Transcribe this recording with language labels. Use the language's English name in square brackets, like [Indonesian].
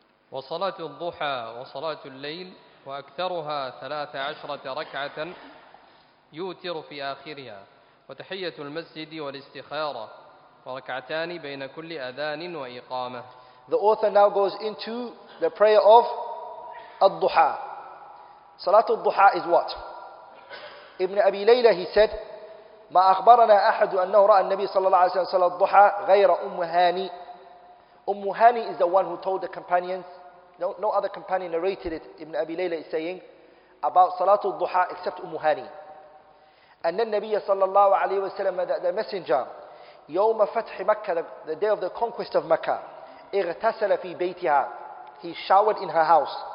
[Arabic] وصلاة الضحى وصلاة الليل وأكثرها 13 ركعة يوتر في آخرها وتحية المسجد والاستخارة وركعتان بين كل أذان وإقامة. [English] The author now goes into the prayer of الضحى. صلاة الضحى is what? Ibn Abi Layla, he said, [Arabic] ما أخبرنا أحد أنه رأى النبي صلى الله عليه وسلم صلاة الضحى غير أم هاني. [English] أم هاني is the one who told the companions. No other companion narrated it. Ibn Abi Layla is saying about Salatul Duha except Umm Hani. And then Nabiya sallallahu alayhi wa sallam, the messenger, Yawma Fath Makkah, the day of the conquest of Makkah, Igtasala fi baytiha, he showered in her house.